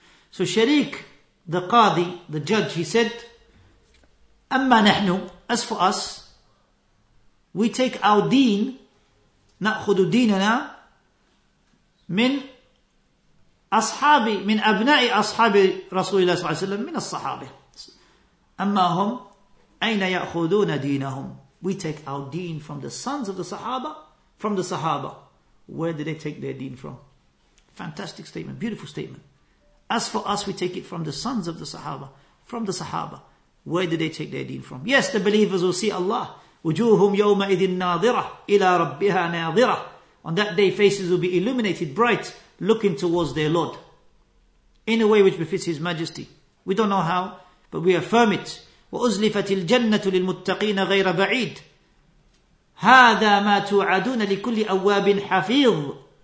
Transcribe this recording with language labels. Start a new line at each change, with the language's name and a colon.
English: So Shariq, the Qadi, the judge, he said,
Arabic: أَمَّا نَحْنُ,
English: as for us, we take our deen,
Arabic: نَأْخُدُ دِينَنَا مِنْ أصحابي من أبناء أصحاب رسول الله صلى الله عليه وسلم من الصحابة أما هم أين يأخذون دينهم.
English: We take our deen from the sons of the Sahaba. From the Sahaba, where do they take their deen from? Fantastic statement, beautiful statement. As for us, we take it from the sons of the Sahaba. From the Sahaba, where do they take their deen from? Yes, the believers will see Allah.
Arabic: وجوههم يومئذ ناظرة إلى ربها ناظرة.
English: On that day, faces will be illuminated bright, looking towards their Lord in a way which befits His Majesty. We don't know how, but we affirm it.
Arabic: وَأُزْلِفَتِ الْجَنَّةُ لِلْمُتَّقِينَ غَيْرَ بَعِيدٍ هَذَا مَا تُعَدُونَ لِكُلِّ أَوَّابٍ حَفِيظٍ.